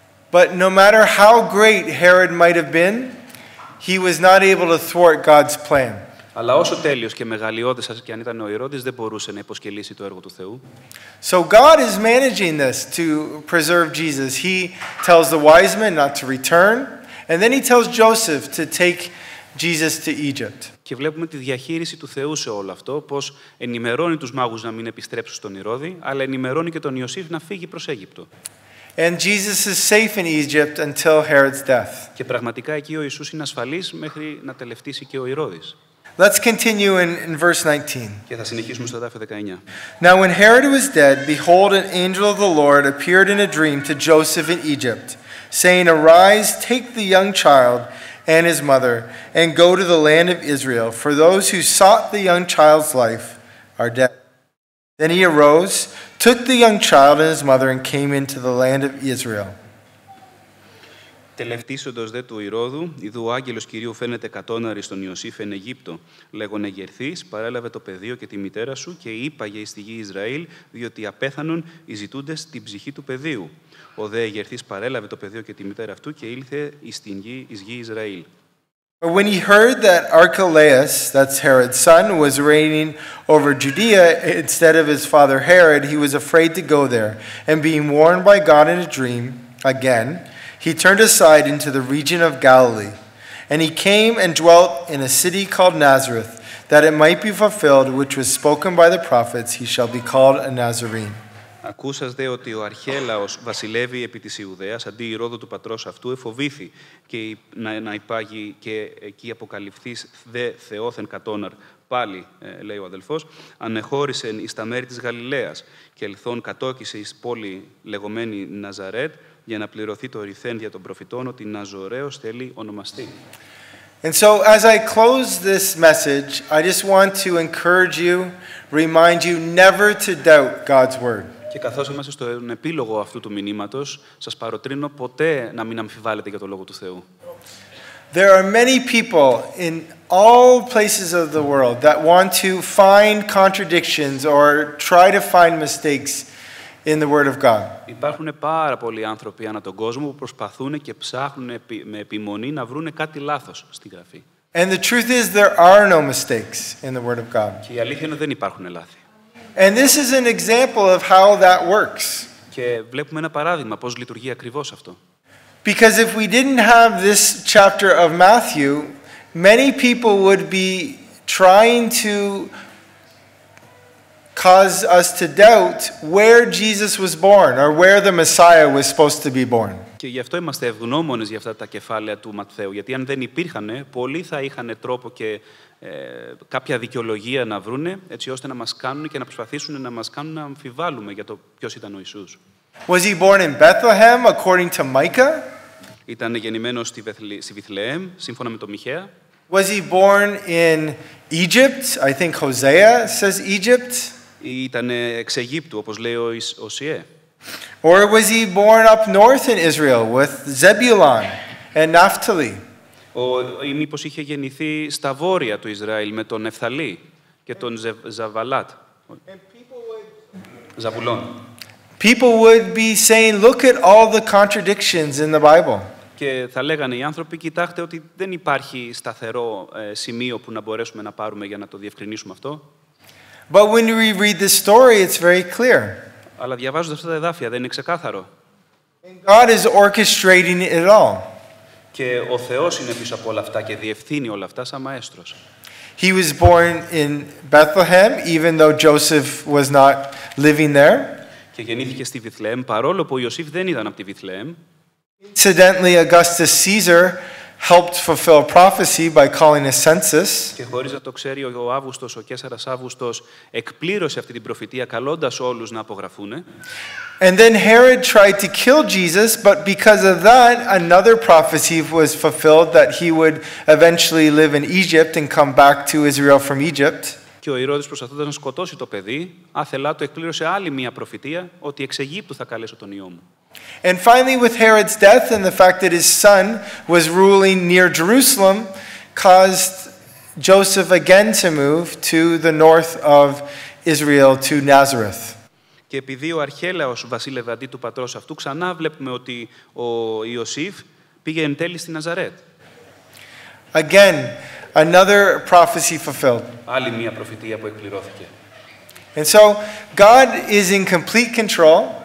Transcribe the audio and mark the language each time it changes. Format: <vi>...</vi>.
<en>But no matter how great Herod might have been, he was not able to thwart God's plan.</en> <el>Αλλά όσο τέλειος και μεγαλειώδης και αν ήταν ο Ηρώδης, δεν μπορούσε να υποσκελίσει το έργο του Θεού.</el> <en>So God is managing this to preserve Jesus. He tells the wise men not to return, and then he tells Joseph to take Jesus to Egypt.</en> <el>Και βλέπουμε τη διαχείριση του Θεού σε όλο αυτό, πως ενημερώνει τους μάγους να μην επιστρέψουν στον Ηρώδη, αλλά ενημερώνει και τον Ιωσήφ να φύγει προς Αίγυπτο.</el> <en>And Jesus is safe in Egypt until Herod's death.</en> <el>Και πραγματικά εκεί ο Ιησούς είναι ασφαλής μέχρι να τελευτήσει και ο Ηρώδης.</el> <en>Let's continue in verse 19.</en> <el>Και θα συνεχίσουμε στο εδάφιο 19.</el> <en>Now when Herod was dead, behold, an angel of the Lord appeared in a dream to Joseph in Egypt, saying, Arise, take the young child and his mother, and go to the land of Israel, for those who sought the young child's life are dead. Then he arose, took the young child and his mother, and came into the land of Israel.</en> <el>Τελευτίσοντος δε του Ηρώδου, ιδού ο άγγελος Κυρίου φαίνεται κατόναρη στον Ιωσήφ εν Αιγύπτο, λέγον εγερθείς, παρέλαβε το πεδίο και τη μητέρα σου και είπαγε εις τη γη Ισραήλ, διότι απέθανον οι ζητούντες την ψυχή του πεδίου. Ο δε εγερθείς παρέλαβε το πεδίο και τη μητέρα αυτού και ήλθε εις την γη, εις γη Ισραήλ.</el> <en>But when he heard that Archelaus, that's Herod's son, was reigning over Judea instead of his father Herod, he was afraid to go there. And being warned by God in a dream again, he turned aside into the region of Galilee. And he came and dwelt in a city called Nazareth, that it might be fulfilled which was spoken by the prophets, he shall be called a Nazarene.</en> <el>Ακούσας δε ότι ο Αρχέλαος βασιλεύει επί της Ιουδαίας, αντί Ηρώδου του πατρός αυτού, εφοβήθη και να υπάγει και εκεί αποκαλυφθείς δε Θεόθεν κατόναρ. Πάλι, λέει ο αδελφός, ανεχώρησεν εις τα μέρη της Γαλιλαίας και ελθόν κατόκισε εις πόλη λεγωμένη Ναζαρέτ για να πληρωθεί το ρηθέν δια των προφητών ότι Ναζωραίος θέλει ονομαστεί.</el> <en>And so as I close this message, I just want to encourage you, remind you never to doubt God's word.</en> <el>Και καθώς είμαστε στον επίλογο αυτού του μηνύματος, σας παροτρύνω ποτέ να μην αμφιβάλλετε για το λόγο του Θεού.</el> <en>There are many people in all places of the world that want to find contradictions or try to find mistakes in the word of God.</en> <el>Υπάρχουν πάρα πολλοί άνθρωποι ανά τον κόσμο που προσπαθούν και ψάχνουν με επιμονή να βρουν κάτι λάθος στη γραφή.</el> <en>And the truth is there are no mistakes in the word of God.</en> <el>Και η αλήθεια είναι ότι δεν υπάρχουν λάθη.</el> <en>And this is an example of how that works.</en> <el>Και βλέπουμε ένα παράδειγμα πώς λειτουργεί ακριβώς αυτό.</el> <en>Because if we didn't have this chapter of Matthew, many people would be trying to cause us to doubt where Jesus was born or where the Messiah was supposed to be born.</en> <el>Και γι' αυτό είμαστε ευγνώμονες για αυτά τα κεφάλαια του Ματθαίου, γιατί αν δεν υπήρχαν, πολλοί θα είχαν τρόπο και κάποια δικαιολογία να βρούνε, έτσι ώστε να μας κάνουν και να προσπαθήσουν να μας κάνουν να αμφιβάλλουμε για το ποιος ήταν ο Ιησούς.</el> <en>Was he born in Bethlehem according to Micah?</en> <el>Ήταν γεννημένος στη Βηθλεέμ, σύμφωνα με το Μιχαία.</el> <en>Was he born in Egypt? I think Hosea says Egypt.</en> <el>Ήταν εξ Αιγύπτου, όπως λέει ο Οσιέ.</el> <en>Or was he born up north in Israel with Zebulun and Naphtali?</en> <el>Ή μήπως είχε γεννηθεί στα βόρεια του Ισραήλ με τον Νεφθαλή και τον Ζαβαλάτ. Ζαβουλών.</el> <en>People would be saying, look at all the contradictions in the Bible.</en> <el>Και θα λέγανε οι άνθρωποι, κοιτάξτε ότι δεν υπάρχει σταθερό σημείο που να μπορέσουμε να πάρουμε για να το διευκρινίσουμε αυτό.</el> <en>But when we read this story, it's very clear.</en> <el>Αλλά διαβάζοντας αυτά τα εδάφια, δεν είναι ξεκάθαρο.</el> <en>God is orchestrating it all.</en> <el>Και ο Θεός είναι πίσω από όλα αυτά και διευθύνει όλα αυτά σαν μαέστρος.</el> <en>He was born in Bethlehem, even though Joseph was not living there.</en> <el>Και γεννήθηκε στη Βηθλεέμ, παρόλο που ο Ιωσήφ δεν ήταν από τη Βηθλεέμ.</el> <en>Incidentally, Augustus Caesar helped fulfill prophecy by calling a census.</en> <el>Και χωρίς να το ξέρει ο Αύγουστος, ο Κέσαρας Αύγουστος, εκπλήρωσε αυτή την προφητεία καλώντας όλους να απογραφούνε.</el> <en>And then Herod tried to kill Jesus, but because of that, another prophecy was fulfilled that he would eventually live in Egypt and come back to Israel from Egypt.</en> <el>Και ο Ηρώδης προσπαθώντας να σκοτώσει το παιδί, άθελά του εκπλήρωσε άλλη μία προφητεία ότι εξ Αιγύπτου θα καλέσω τον υιό μου.</el> <en>And finally, with Herod's death and the fact that his son was ruling near Jerusalem, caused Joseph again to move to the north of Israel, to Nazareth.</en> <el>Και επειδή ο Αρχέλαος βασίλευε αντί του πατρός αυτού, ξανά βλέπουμε ότι ο Ιωσήφ πήγε εν τέλει στη Ναζαρέτ.</el> <en>Again, another prophecy fulfilled.</en> <el>Άλλη μια προφητεία που εκπληρώθηκε.</el> <en>And so God is in complete control.</en>